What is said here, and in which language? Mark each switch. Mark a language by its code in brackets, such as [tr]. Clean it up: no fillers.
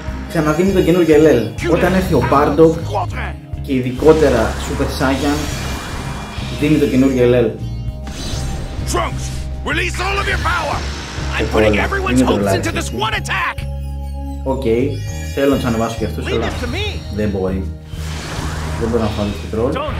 [el] Ξαναδίνει τον καινούργιο LL. Όταν έρθει ο Πάρτο και ειδικότερα Super Saiyan, δίνει τον καινούργιο LL. [en] Trunks, release all of your power. I'm putting everyone's hopes into this one attack. [el] Οκ, θέλω να τους ανεβάσω και αυτούς, αλλά δεν μπορεί. Δεν μπορεί να φάω το τρόλ.